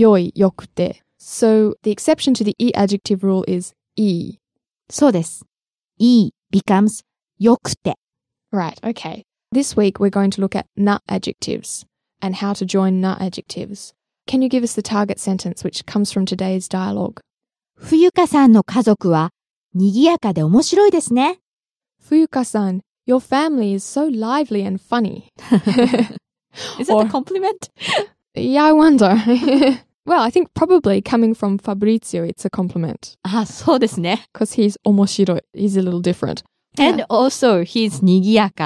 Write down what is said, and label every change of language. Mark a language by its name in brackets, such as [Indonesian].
[Japanese] よい、よくて。 [English] So the exception to the いい adjective rule is いい。 [Japanese] そうです。 [English] いい becomes よくて。 Right, okay. This week we're going to look at な adjectives and how to join な adjectives. Can you give us the target sentence which comes from today's dialogue? [Japanese] 冬香さんの家族はにぎやかで面白いですね。 [English] Fuyuka-san, your family is so lively and funny. Is that a compliment? Yeah, I wonder. Well, I think probably coming from Fabrizio, it's a compliment. [Japanese] Ah, そうですね。 [English] Because he's 面白い.He's a little different. And yeah. Also, he's にぎやか.